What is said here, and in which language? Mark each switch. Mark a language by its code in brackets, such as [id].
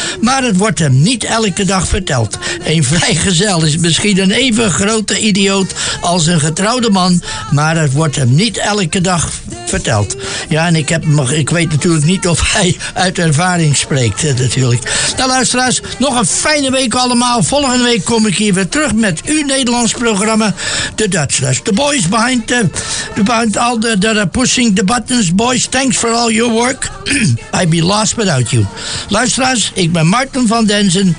[nl] Maar het wordt hem niet elke dag verteld. Een vrijgezel is misschien een even grote idioot als een getrouwde man. Maar het wordt hem niet elke dag verteld. Ja, en ik weet natuurlijk niet of hij uit ervaring spreekt, natuurlijk. Nou, luisteraars, nog een fijne week allemaal. Volgende week kom ik hier weer terug met uw Nederlands programma, The Dutchless. [en] The boys behind the pushing the buttons, boys, thanks for all your work. I'd be lost without you. [nl] Luisteraars, ik ben Martin van Denzen.